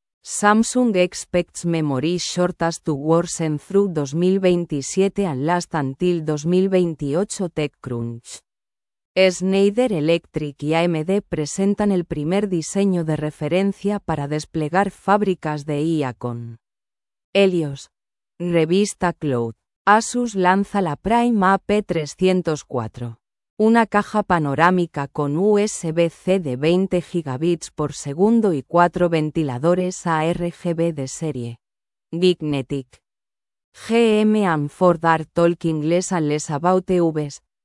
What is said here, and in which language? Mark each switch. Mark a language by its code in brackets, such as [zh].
[en] Samsung expects memory shortages to worsen through 2027 and last until 2028. TechCrunch. [es] Schneider Electric y AMD presentan el primer diseño de referencia para desplegar fábricas de IA con Helios. Revista Cloud. Asus lanza la Prime AP304. Una caja panorámica con USB-C de 20 gigabits por segundo y 4 ventiladores ARGB de serie. Dignetic. [en] GM and Ford are talking less and less about EVs.